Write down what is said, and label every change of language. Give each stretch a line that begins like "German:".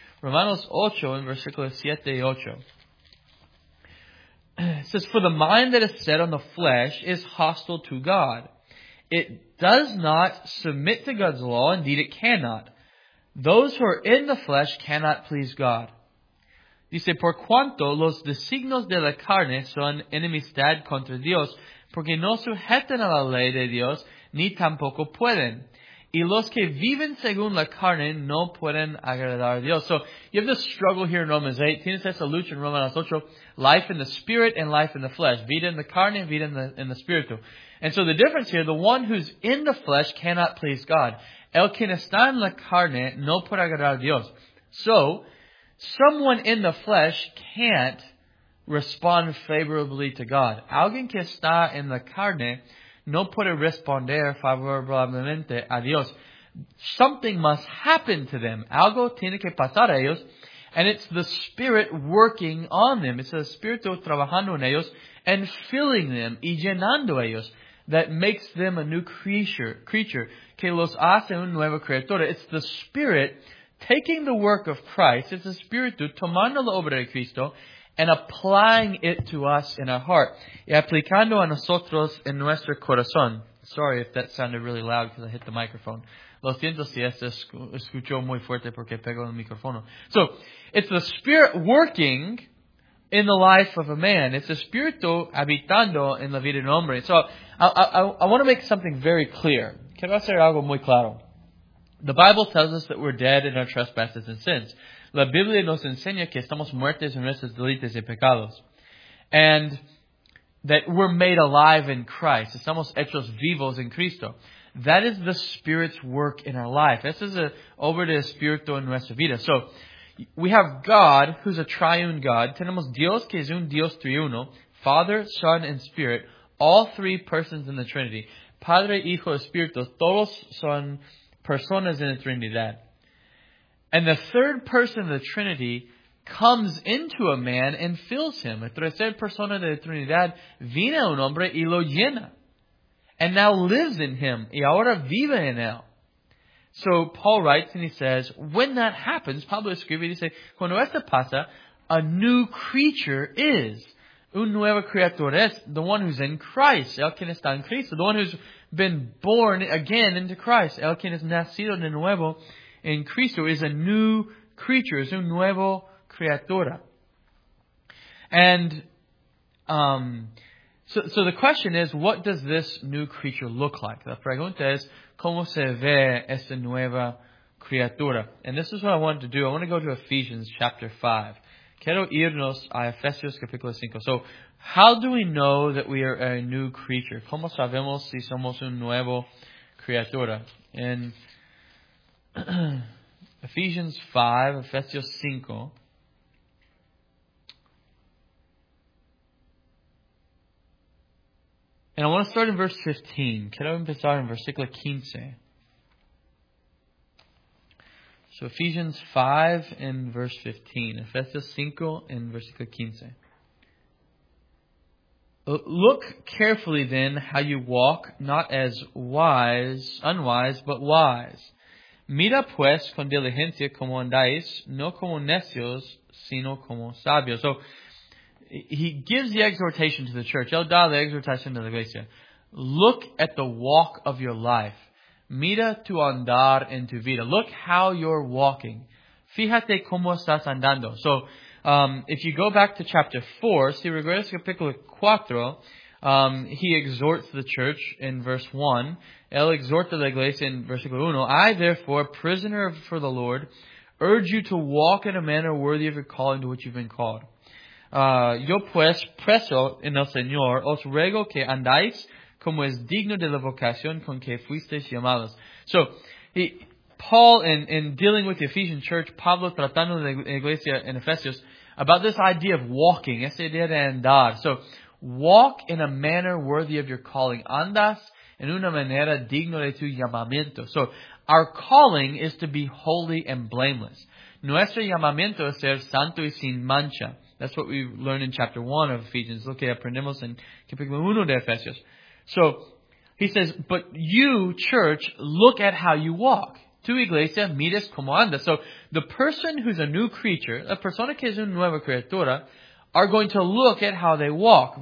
Spanish: Romanos 8 in versículos 7 y 8.
English: It says, "For the mind that is set on the flesh is hostile to God. It does not submit to God's law. Indeed, it cannot. Those who are in the flesh cannot please God."
Spanish: Dice, "Por cuanto los designios de la carne son enemistad contra Dios, porque no sujetan a la ley de Dios, ni tampoco pueden. Y los que viven según la carne no pueden agradar a Dios."
English: So you have this struggle here in Romans 8.
Spanish: Tienes esa lucha en Romanos 8.
English: Life in the spirit and life in the flesh.
Spanish: Vida en la carne, vida en el espíritu.
English: And so the difference here, the one who's in the flesh cannot please God.
Spanish: El que está en la carne no puede agradar a Dios.
English: So someone in the flesh can't respond favorably to God.
Spanish: Alguien que está en la carne no puede responder favorablemente a Dios. Something must happen to them. Algo tiene que pasar a ellos.
English: And it's the Spirit working on them. It's the Spirit
Spanish: trabajando en ellos
English: and filling them
Spanish: y llenando ellos
English: that makes them a new creature.
Spanish: Que los hace un nuevo creador.
English: It's the Spirit taking the work of Christ. It's the Spirit
Spanish: tomando la obra de Cristo
English: and applying it to us in our heart.
Spanish: Y aplicando a nosotros en nuestro corazón.
English: Sorry if that sounded really loud because I hit the microphone.
Spanish: Lo siento si este escuchó muy fuerte porque pegó el micrófono.
English: So, it's the Spirit working in the life of a man. It's the Spirit
Spanish: habitando en la vida de un hombre.
English: So, I want to make something very clear.
Spanish: Quiero hacer algo muy claro.
English: The Bible tells us that we're dead in our trespasses and sins.
Spanish: La Biblia nos enseña que estamos muertos en nuestros delitos y pecados.
English: And that we're made alive in Christ.
Spanish: Estamos hechos vivos en Cristo.
English: That is the Spirit's work in our life. This is a
Spanish: obra del Espíritu en nuestra vida.
English: So, we have God, who's a triune God.
Spanish: Tenemos Dios, que es un Dios triuno.
English: Father, Son, and Spirit. All three persons in the Trinity.
Spanish: Padre, Hijo, Espíritu. Todos son personas en la Trinidad.
English: And the third person of the Trinity comes into a man and fills him.
Spanish: La tercera persona de la Trinidad viene a un hombre y lo llena.
English: And now lives in him.
Spanish: Y ahora vive en él.
English: So Paul writes and he says, when that happens,
Spanish: Pablo escribe y dice, cuando esto pasa,
English: a new creature is.
Spanish: Un nuevo creador es.
English: The one who's in Christ.
Spanish: El quien está en Cristo.
English: The one who's been born again into Christ.
Spanish: El quien es nacido de nuevo in Cristo
English: is a new creature, is
Spanish: un nuevo criatura.
English: And so the question is, what does this new creature look like?
Spanish: La pregunta es, ¿cómo se ve esta nueva criatura?
English: And this is what I wanted to do. I want to go to Ephesians chapter 5.
Spanish: Quiero irnos a Efesios capítulo 5.
English: So how do we know that we are a new creature?
Spanish: ¿Cómo sabemos si somos un nuevo criatura?
English: And Ephesians 5, Ephesios 5. And I want to start in verse 15.
Spanish: Quiero empezar en versículo 15.
English: So Ephesians 5 and verse 15. Ephesios 5 and versículo 15. "Look carefully then how you walk, not as wise, unwise, but wise.
Spanish: Mira pues con diligencia como andáis, no como necios, sino como sabios."
English: So, he gives the exhortation to the church.
Spanish: Él da la exhortación de la iglesia.
English: Look at the walk of your life.
Spanish: Mira tu andar en tu vida.
English: Look how you're walking. Fíjate cómo estás andando. So, if you go back to chapter 4,
Spanish: si regresas a capítulo 4,
English: he exhorts the church in verse 1.
Spanish: El exhorta la iglesia en versículo 1.
English: "I, therefore, prisoner for the Lord, urge you to walk in a manner worthy of your calling to which you've been called.
Spanish: Yo pues, preso en el Señor, os ruego que andáis como es digno de la vocación con que fuisteis llamados.
English: So, Paul, in dealing with the Ephesian church,
Spanish: Pablo tratando de la iglesia en Efesios,
English: about this idea of walking,
Spanish: esa idea de andar.
English: So, walk in a manner worthy of your calling.
Spanish: Andas en una manera digno de tu llamamiento.
English: So, our calling is to be holy and blameless.
Spanish: Nuestro llamamiento es ser santo y sin mancha.
English: That's what we learn in chapter 1 of Ephesians.
Spanish: Lo que aprendemos en capítulo 1 de Efesios.
English: So, he says, but you, church, look at how you walk.
Spanish: Tu iglesia, mires como andas.
English: So, the person who's a new creature,
Spanish: la persona que es una nueva criatura,
English: are going to look at how they walk.